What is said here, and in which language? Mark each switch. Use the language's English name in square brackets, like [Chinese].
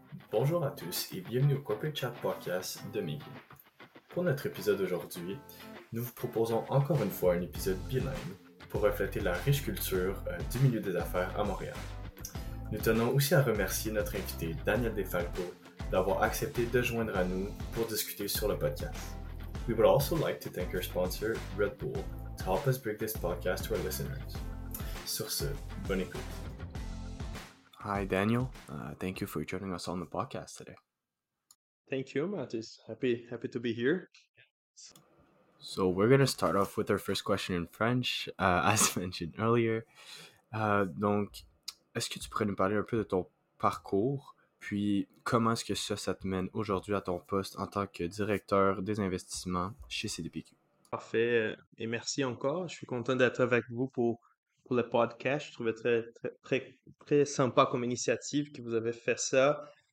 [French] Bonjour à tous et bienvenue au Corporate Chat Podcast de Miguel. Pour notre épisode d'aujourd'hui, nous vous proposons encore une fois un épisode bilingue pour refléter la riche culture du milieu des affaires à Montréal. Nous tenons aussi à remercier notre invité Daniel DeFalco d'avoir accepté de joindre à nous pour discuter sur le podcast. [English] We would also like to thank our sponsor Red Bull to help us bring this podcast to our listeners. [French] Sur ce, bonne écoute. [English] Hi, Daniel. Thank you for joining us on the podcast today. Thank you, Mathis. Happy to be here. So we're going to start off with our first question in French, as mentioned earlier. [French] Donc, est-ce que tu pourrais nous parler un peu de ton parcours, puis comment est-ce que ça te mène aujourd'hui à ton poste en tant que directeur des investissements chez CDPQ? Parfait. Et merci encore. Je suis content d'être avec vous pour le podcast. Je trouvais très sympa comme initiative que vous avez fait ça.